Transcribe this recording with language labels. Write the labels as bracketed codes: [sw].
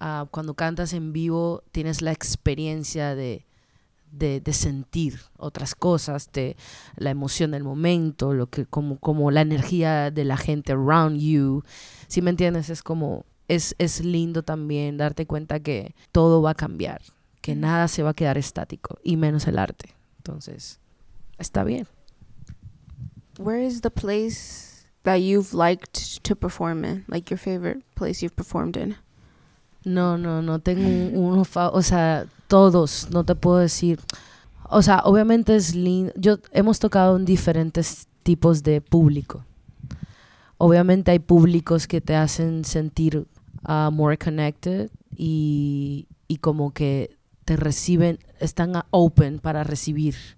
[es] Cuando cantas en vivo tienes la experiencia de sentir otras cosas, de la emoción del momento, lo que como la energía de la gente [en] around you. [es] Si me entiendes, es como es lindo también darte cuenta que todo va a cambiar, que mm-hmm. nada se va a quedar estático y menos el arte. Entonces, está bien. [en] Where is the place that you've liked to perform in? Like your favorite place you've performed in? [es] No tengo uno, o sea, todos, no te puedo decir. O sea, obviamente es lindo. Hemos tocado en diferentes tipos de público. Obviamente hay públicos que te hacen sentir [en] more connected [es] y como que te reciben, están [en] open [es] para recibir.